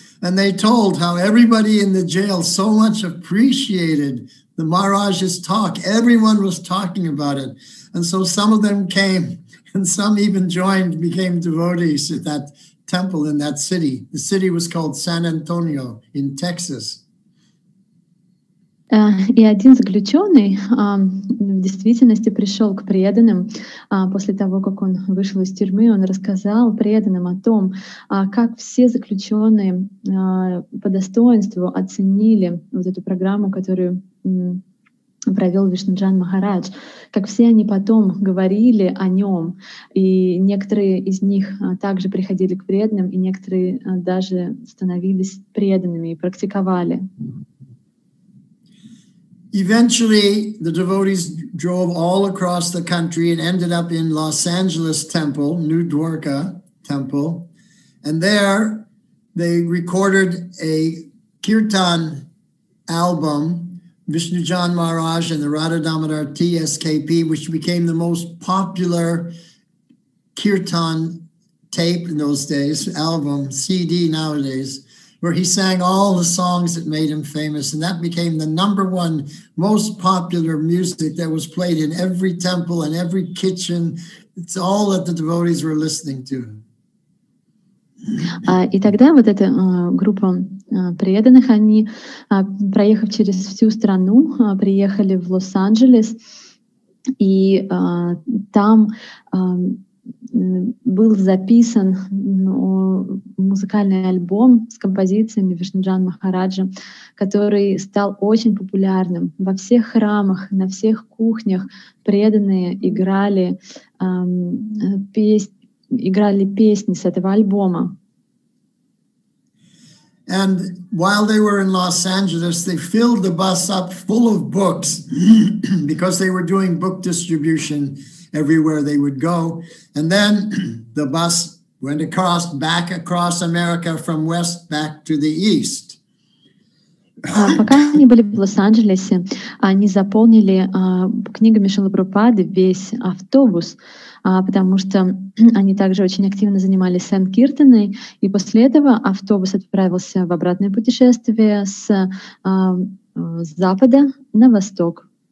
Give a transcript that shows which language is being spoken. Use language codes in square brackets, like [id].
[en] And they told how everybody in the jail so much appreciated the Maharaj's talk. Everyone was talking about it. And so some of them came, and some even joined, became devotees at that temple in that city. The city was called San Antonio in Texas. [ru] И один заключенный в действительности пришел к преданным. После того, как он вышел из тюрьмы, он рассказал преданным о том, как все заключенные по достоинству оценили вот эту программу, которую провел Вишнуджан Махарадж, как все они потом говорили о нем, и некоторые из них также приходили к преданным, и некоторые даже становились преданными и практиковали. [en] Eventually, the devotees drove all across the country and ended up in Los Angeles Temple, New Dwarka Temple. And there, they recorded a kirtan album, Vishnujan Maharaj and the Radha Damodar TSKP, which became the most popular kirtan tape in those days, album, CD nowadays. Where he sang all the songs that made him famous, and that became the number one most popular music that was played in every temple and every kitchen. It's all that the devotees were listening to. [ru] И тогда вот эта группа преданных, они, проехав через всю страну, приехали в Лос-Анджелес, и там был записан музыкальный альбом с композициями Вишнуджан Махараджа, который стал очень популярным. Во всех храмах, на всех кухнях преданные играли, играли песни с этого альбома. [en] And while they were in Los Angeles, they filled the bus up full of books because they were doing book distribution everywhere they would go. And then the bus went across, back across America from west back to the east. [ru] Пока они были в Лос-Анджелесе, они заполнили книгами Шрилы Прабхупады весь автобус, потому что они также очень активно занимались санкиртаной, и после этого автобус отправился в обратное путешествие с запада на восток.